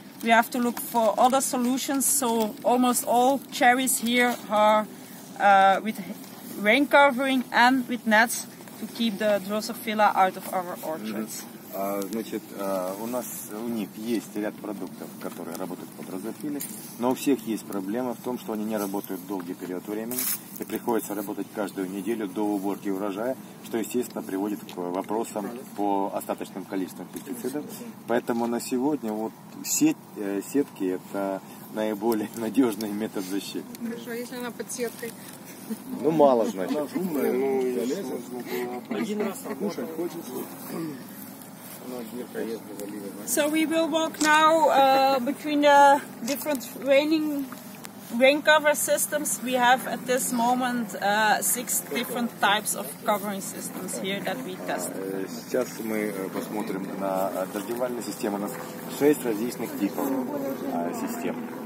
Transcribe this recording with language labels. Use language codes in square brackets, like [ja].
[en] We have to look for other solutions, so almost all cherries here are with rain covering and with nets to keep the Drosophila out of our orchards. Mm-hmm. [ru] Значит, у них есть ряд продуктов, которые работают под Drosophila, но у всех есть проблема в том, что они не работают долгий период времени, и приходится работать каждую неделю до уборки урожая, что, естественно, приводит к вопросам по остаточным количествам пестицидов. Поэтому на сегодня вот сетки – это наиболее надежный метод защиты. Хорошо, если она под сеткой? Ну, мало, значит. Она жумная, но я лезу. Один раз работает. [en] So we will walk now between the different raining rain cover systems, we have at this moment six different types of covering systems here that we test. [ru] Сейчас мы посмотрим на дождевальные системы. У нас шесть различных типов систем.